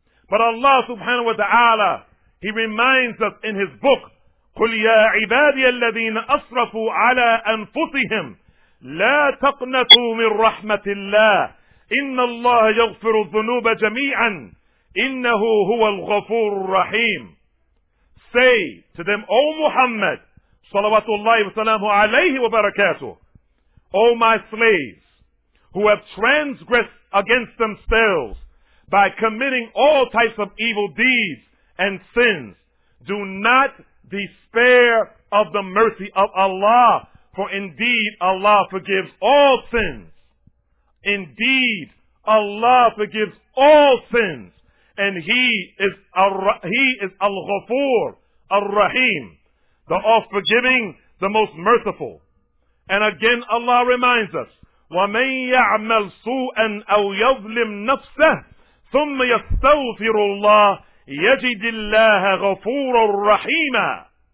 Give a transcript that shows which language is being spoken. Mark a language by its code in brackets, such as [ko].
[en] But Allah subhanahu wa ta'ala, He reminds us in His book, [ar] قُلْ يَا عِبَادِيَ الَّذِينَ أَصْرَفُوا عَلَىٰ أَنفُسِهِمْ لَا تَقْنَطُوا مِنْ رَحْمَةِ اللَّهِ إِنَّ اللَّهَ يَغْفِرُ الذُّنُوبَ جَمِيعًا إِنَّهُ هُوَ الْغَفُورُ الرَّحِيمُ. [en] Say to them, O Muhammad, salawatullahi wa salamu alayhi wa barakatuh, O my slaves, who have transgressed against themselves by committing all types of evil deeds and sins, do not despair of the mercy of Allah, for indeed Allah forgives all sins. Indeed, Allah forgives all sins, and He is Al-Ghafur, Al-Rahim, the all-forgiving, the most merciful. And again Allah reminds us, [ar] وَمَنْ يَعْمَلْ سُوءًا أَوْ يَظْلِمْ نَفْسَهُ ثُمَّ يَسْتَغْفِرُ اللَّهُ يَجِدِ اللَّهَ غَفُورًا رَحِيمًا.